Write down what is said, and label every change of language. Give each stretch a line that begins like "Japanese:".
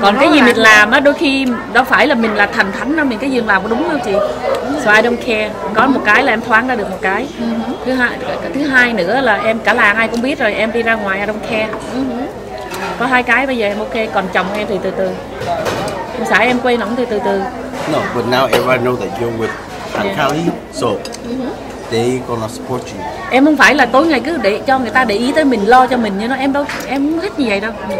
Vietnamese: Còn cái gì mình làm á, đôi khi đâu phải là mình là thành thánh đâu, mình cái gì làm có đúng không chị?
English: So I don't care.
Vietnamese: Có một cái là em thoáng ra được một cái. Thứ hai nữa là em cả làng ai cũng biết rồi, em đi ra ngoài
English: I don't care.
Vietnamese: Có hai cái bây giờ em ok, còn chồng em thì từ từ. Em xã em quay nóng thì từ từ.
English: No, but now everyone know that you're with Hằng Kali, so they gonna support you.
Vietnamese: Em không phải là tối ngày cứ để cho người ta để ý tới mình, lo cho mình như nó. Em đâu, em không thích như vậy đâu.